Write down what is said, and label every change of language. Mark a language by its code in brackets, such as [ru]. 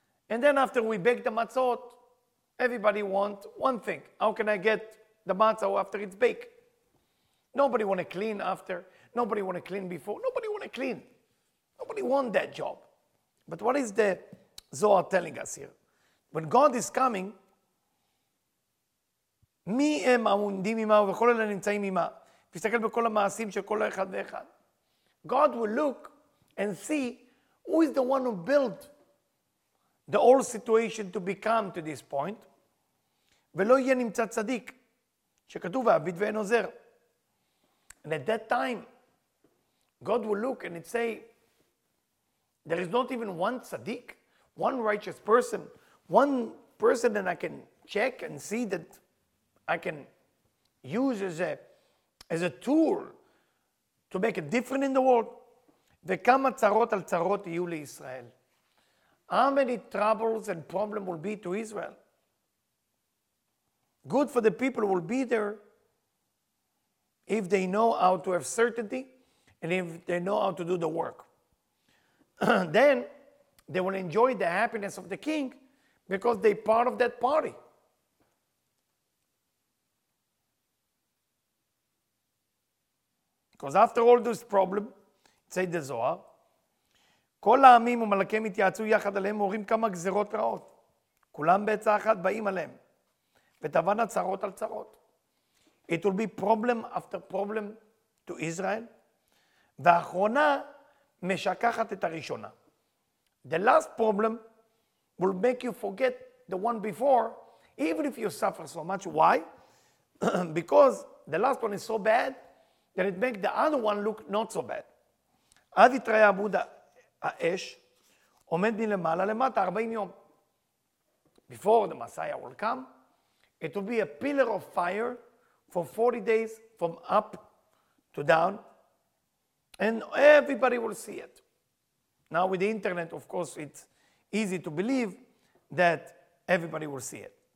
[en] And then after we baked the matzot, everybody want one thing. How can I get the matzah after it's baked? Nobody want to clean after. Nobody want to clean before. Nobody want to clean. Nobody want that job. But what is the Zohar telling us here? When God is coming, [he] מי הם העומדים עמה וכל אלה נמצאים עמה? תסתכל בכל המעשים של כל אחד ואחד. [en] God will look and see who is the one who built the whole situation to become to this point. [he] ולא יהיה נמצא צדיק שכתוב ועביד ואין עוזר. [en] And at that time, God will look and it say, there is not even one צדיק, one righteous person, one person that I can check and see that I can use as a tool to make a difference in the world. [he] וכמה צרות על צרות יהיו לישראל. [en] How many troubles and problems will be to Israel? Good for the people will be there if they know how to have certainty and if they know how to do the work. Then they will enjoy the happiness of the king because they're part of that party. Because after all this problem, say the Zohar, [he] כל העמים ומלכים התייעצו יחד עליהם, אומרים כמה גזרות רעות. כולם בעצה אחת באים עליהם. ותבן הצרות על צרות. [en] It will be problem after problem to Israel. [he] והאחרונה משכחת את הראשונה. [en] The last problem will make you forget the one before, even if you suffer so much. Why? Because the last one is so bad that it makes the other one look not so bad. [he] עד יתראה עמוד האש עומד מלמעלה למטה 40 יום. [en] Before the Messiah will come, it will be a pillar of fire for 40 days from up to down, and everybody will see it. Now with the internet, of course, it's easy to believe that everybody will see it.